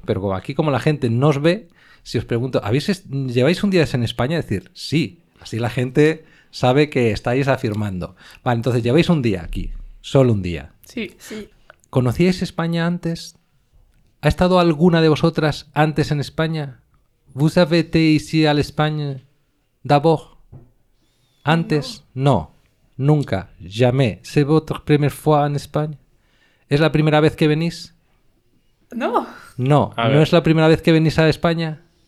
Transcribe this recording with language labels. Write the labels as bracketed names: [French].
[Spanish] Pero aquí como la gente no os ve, si os pregunto, ¿lleváis un día en España? Decir sí. Así la gente sabe que estáis afirmando. Vale, entonces lleváis un día aquí. Solo un día. Sí. ¿Conocíais España antes? ¿Ha estado alguna de vosotras antes en España? [French] ¿Vous avez été ici à l'Espagne d'abord? [Spanish] ¿Antes? No. Nunca. [French] Jamais. ¿C'est votre première fois en España? [Spanish] ¿Es la primera vez que venís? No. No. ¿No es la primera vez que venís a España?